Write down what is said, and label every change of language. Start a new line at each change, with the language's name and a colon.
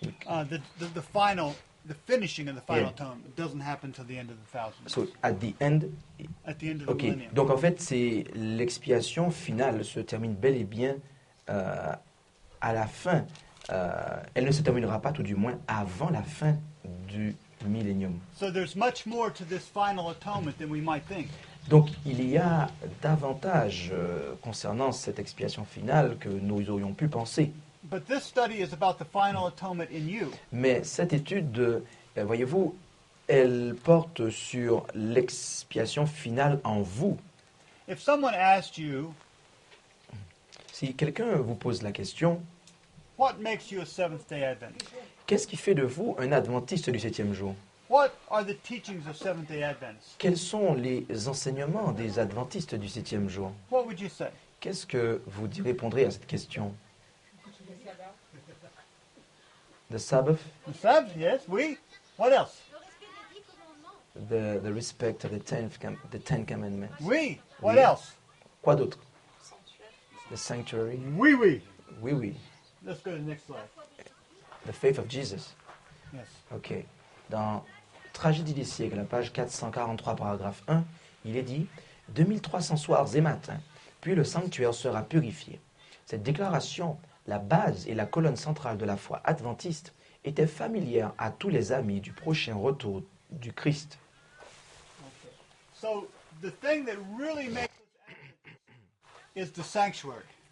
English: The final, the finishing of the final tome doesn't happen until the end of the thousand years. So at the end. At the end of the millennium.
French: Donc en fait, c'est l'expiation finale se termine bel et bien à la fin. Elle ne se terminera pas, tout du moins, avant la fin du millénium.
English: So there's much more to this final atonement than we might think.
French: Donc, il y a davantage concernant cette expiation finale que nous aurions pu penser.
English: But this study is about the final atonement in you.
French: Mais cette étude, voyez-vous, elle porte sur l'expiation finale en vous.
English: If someone asked you,
French: si quelqu'un vous pose la question,
English: what makes you a Seventh-day Adventist?
French: Qu'est-ce qui fait de vous un adventiste du septième jour?
English: What are the teachings of Seventh-day Adventists?
French: Quels sont les enseignements des adventistes du septième jour?
English: What would you say?
French: Qu'est-ce que vous répondrez à cette question?
English: The Sabbath? The Sabbath, yes,
French: oui.
English: What else? The respect of the Ten Commandments. Oui. What
French: oui.
English: else?
French: Quoi d'autre?
English: The sanctuary.
French: Oui, oui. Oui, oui.
English: Let's go to the next slide. The faith of Jesus. Yes. Okay.
French: Dans Tragédie des siècles, la page 443, paragraphe 1, il est dit « 2300 soirs et matins, puis le sanctuaire sera purifié. » Cette déclaration, la base et la colonne centrale de la foi adventiste, était familière à tous les amis du prochain retour du Christ.
English: Okay. So, the thing that really makes us is the sanctuary.